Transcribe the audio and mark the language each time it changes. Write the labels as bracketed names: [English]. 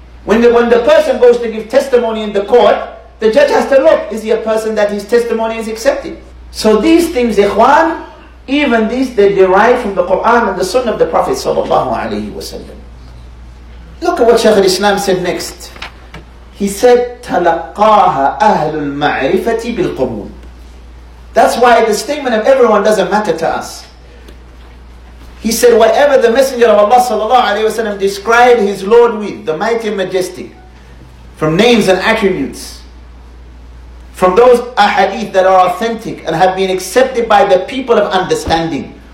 [English] When the person goes to give testimony in the court, the judge has to look, is he a person that his testimony is accepted? So these things, ikhwan, even these, they derive from the Quran and the Sunnah of the Prophet sallallahu alayhi wa sallam. Look at what Shaykh al-Islam said next. He said, [Arabic] تَلَقَّاهَا أَهْلُ الْمَعْرِفَةِ بِالْقُبُولِ. [English] That's why the statement of everyone doesn't matter to us. He said, whatever the Messenger of Allah sallallahu alayhi wa sallam described his Lord with, the mighty and majestic, from names and attributes, from those ahadith that are authentic and have been accepted by the people of understanding.